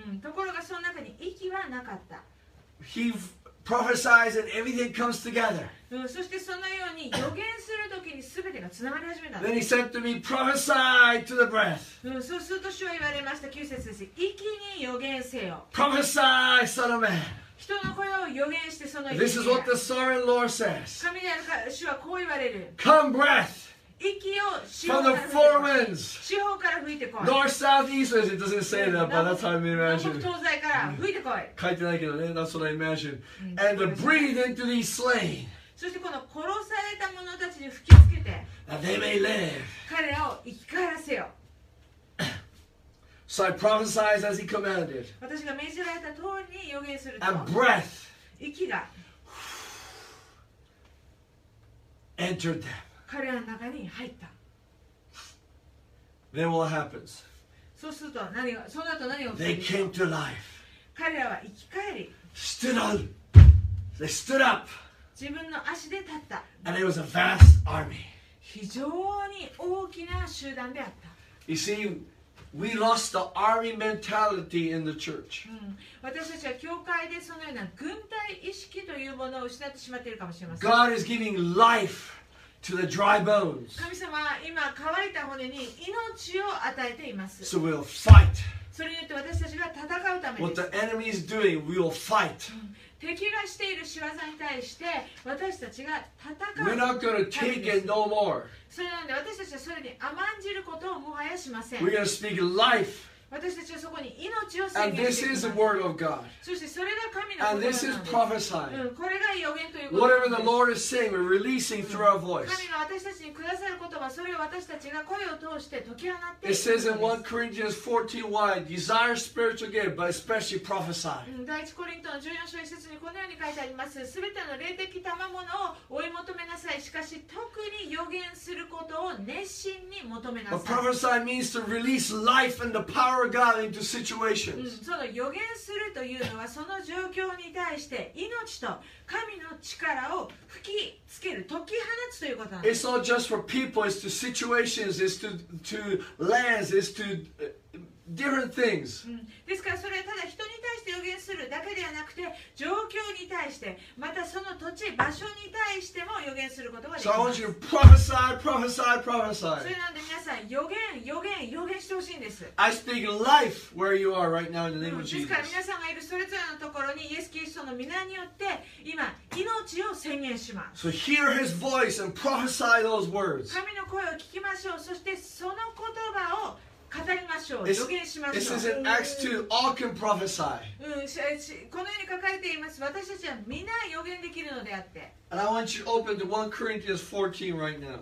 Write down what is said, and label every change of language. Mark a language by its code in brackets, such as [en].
[ja] うん、ところがその中に息はなかった。 [en] He prophesies and everything comes together.、 [ja] うん、そしてそのように予言するときに全てがつながり始めた。 [en] Then he said to me, prophesy to the breath.、 [ja] うん、そうすると主は言われました。9節です。息に予言せよ。 [en] Prophesy, son of man. [ja] 人の声を予言してその息に。 [en] This is what the sovereign Lord says. [ja] 神である主はこう言われる。 [en] Come breath. From the four winds, north, south, east, west. It doesn't say that, but that's how I imagine. [ja] 東西から吹いてこい。書いてないけどね。 [en] That's what I imagine. And the breathe into these slain. [ja] そしてこの殺された者たちに吹きつけて。 [en] That they may live. [ja] 彼らを生き返らせよ。 [en] So I prophesied as he commanded. [ja] 私が命じられた通りに予言すると。 [en] And breath. [ja] 息が。 [en] Entered them. [ja] 彼らの中に入った。 [en] Then what happens? [ja] そうすると何が、その後何が起きる? [en] They came to life. [ja] 彼らは生き返り。 [en] Stood up. They stood up. [ja] 自分の足で立った。 [en] And it was a vast army. [ja] 非常に大きな集団であった。 [en] You see, we lost the army mentality in the church.、 [ja] うん、私たちは教会でそのような軍隊意識というものを失ってしまっているかもしれません。 [en] God is giving life. to the dry bones. [ja] 神様は今乾いた骨に命を与えています。 [en] So we'll fight. [ja] それによって私たちが戦うためです。 [en] What the enemy is doing, we will fight. [ja] 敵がしている仕業に対して私たちが戦うためです。 [en] We're not going to take it no more. [ja] それなので私たちはそれに甘んじることをもはやしません。 [en] We're going to speak life. [ja] 私たちはそこに命を宣言して、 [en] And this is the word of God. [ja] そしてそれが神の言葉なんです。 [en] And this is prophesying. [ja] これが予言ということです。 [en] Whatever the Lord is saying, we're releasing through our voice. [ja] 神が私たちにくださる言葉、それを私たちが声を通して解き放っていくんです。 [en] It says in 1 Corinthians 14, why? Desire spiritual gift, but especially prophesy. [ja] 第1コリントの14章1節にこのように書いてあります。すべての霊的賜物を追い求めなさい。しかし特に予言することを熱心に求めなさい。 [en] A prophesy means to release life and the power. God into situations. [ja] その予言するというのはその状況に対して命と神の力を吹きつける、解き放つということなんです。 [en] It's not just for people, it's to situations, it's to lands, it's to different things. [ja] ですからそれはただ人に対して予言するだけではなくて、状況に対して、またその土地、場所に対しても予言することができます。 [en] So I want you to prophesy, prophesy, prophesy. [ja] それなので皆さん、予言、予言、予言してほしいんです。 [en] I speak life where you are right now in the name of Jesus. [ja] ですから皆さんがいるそれぞれのところに、イエス・キリストの御名によって、今、命を宣言します。 [en] So hear his voice and prophesy those words. [ja] 神の声を聞きましょう。そしてその言葉を語りましょう、予言しましょう。 [en] This is in Acts 2, all can prophesy. [ja] このように書かれています。私たちはみんな予言できるのであって。 [en] And I want you to open to 1 Corinthians 14 right now.